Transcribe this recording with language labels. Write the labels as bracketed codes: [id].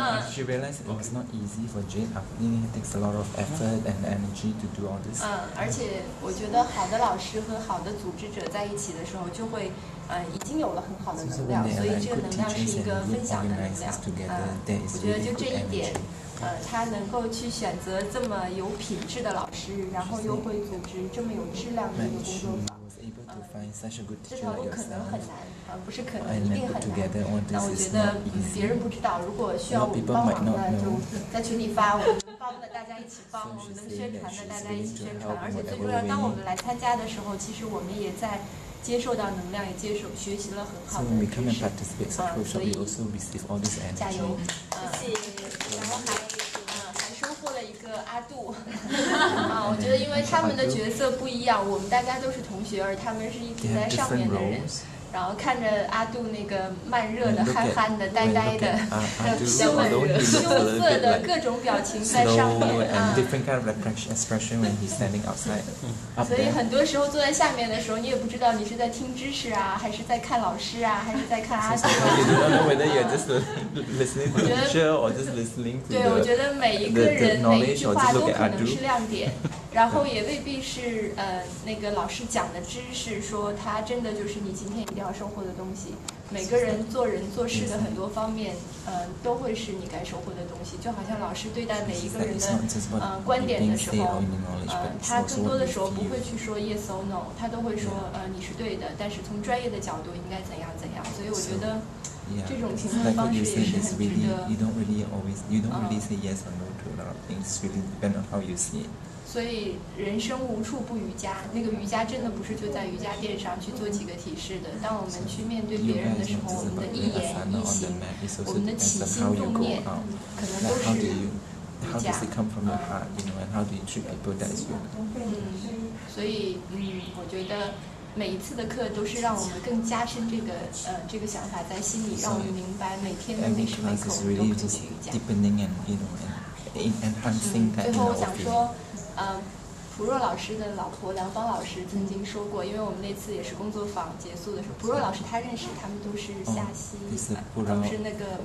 [en] She realized it was not easy for Jade. I mean, it takes a lot of effort and energy to do all this. [zh] 而且我觉得好的老师和好的组织者在一起的时候，就会已经有了很好的能量，所以这个能量是一个分享的能量。我觉得就这一点，他能够去选择这么有品质的老师，然后又会组织这么有质量的一个工作坊。 [en] To find such a good teacher like yourself. [zh] 这条路可能很难，不是可能，一定很难。那我觉得别人不知道，如果需要我们帮忙呢，就在群里发，我们帮的大家一起帮，我们能宣传的大家一起宣传。而且最重要，当我们来参加的时候，其实我们也在接受到能量，也接受学习了很好的知识。 [en] So we come and participate in the workshop, we also receive all this energy. [zh] 加油！谢谢。然后还收获了一个。阿杜啊，我觉得因为他们的角色不一样，我们大家都是同学，而他们是一直在上面的人。然后看着阿杜那个慢热的、憨憨的、呆呆的、羞涩的各种表情在上面啊。 [en] Slow and different kind of expression when he's standing outside. [zh] 所以很多时候坐在下面的时候，你也不知道你是在听知识啊，还是在看老师啊，还是在看阿杜啊。 [en] You don't know whether you're just listening to the teacher or just listening to the knowledge. [zh] 对，我觉得每一个人每一句话都可能是亮点，然后也未必是那个老师讲的知识，说他真的就是你今天。一定要收获的东西，每个人做人做事的很多方面，都会是你该收获的东西。就好像老师对待每一个人的观点的时候，他更多的时候不会去说 [en] yes or no， [zh] 他都会说你是对的，但是从专业的角度应该怎样怎样。所以我觉得这种评判方式也是很值得。 [en] You don't really always, you don't really say yes or no to a lot of things. Really depend on how you see it. [zh] 所以人生无处不瑜伽，那个瑜伽真的不是就在瑜伽垫上去做几个体式的。当我们去面对别人的时候，我们的一言一行，我们的起心动念，可能都是瑜伽。 [en] Like、how do you, how does it come from your heart, you know, and how do you treat people that's you? [zh] 所以我觉得每一次的课都是让我们更加深这个想法在心里，让我们明白每天的每时每刻我们都可以做瑜伽。 [en] Deepening and you know, and enhancing that. [zh] 最后我想说。普若老师的老婆梁芳老师曾经说过，因为我们那次也是工作坊结束的时候，普若老师他认识，他们都是夏曦，都是那个